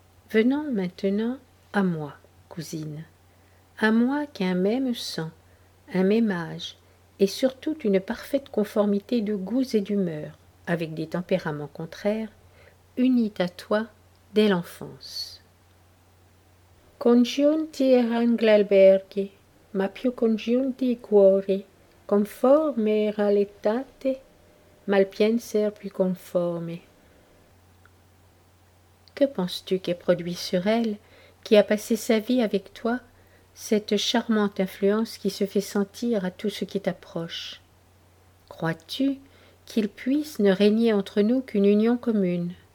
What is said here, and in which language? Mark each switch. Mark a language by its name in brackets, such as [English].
[French] Venons maintenant à moi, cousine. À moi qu'un même sang, un même âge, et surtout une parfaite conformité de goûts et d'humeur, avec des tempéraments contraires, unit à toi dès l'enfance. [Italian] Congiunti eran gli alberghi, ma più congiunti i cuori, conforme era l'etate, ma il pienser più conforme. [French] Que penses-tu qu'ait produit sur elle, qui a passé sa vie avec toi, cette charmante influence qui se fait sentir à tout ce qui t'approche? Crois-tu qu'il puisse ne régner entre nous qu'une union commune?